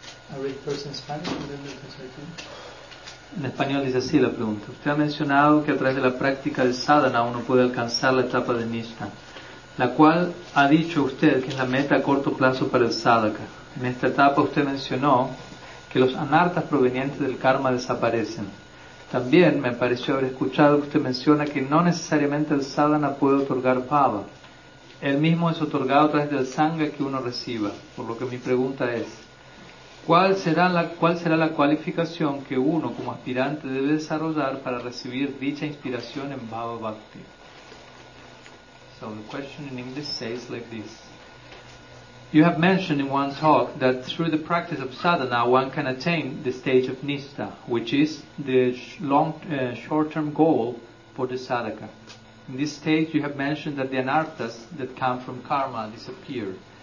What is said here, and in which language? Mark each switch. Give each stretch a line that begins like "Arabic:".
English: I read first in Spanish and then the translation.
Spanish: En español dice así la pregunta. Usted ha mencionado que a través de la práctica de sadhana uno puede alcanzar la etapa de nishtha, la cual ha dicho usted que es la meta a corto plazo para el sadhaka. En esta etapa usted mencionó que los anarthas provenientes del karma desaparecen. También me pareció haber escuchado que usted menciona que no necesariamente el sadhana puede otorgar bhava. Él mismo es otorgado a través del sangha que uno reciba, por lo que mi pregunta es, ¿cuál será la cualificación que uno como aspirante debe desarrollar para recibir dicha inspiración en Bhava Bhakti?
English: So the question in English says like this. You have mentioned in one talk that through the practice of sadhana one can attain the stage of nishtha, which is the short-term goal for the sadhaka. In this stage, you have mentioned that the anarthas that come from karma disappear.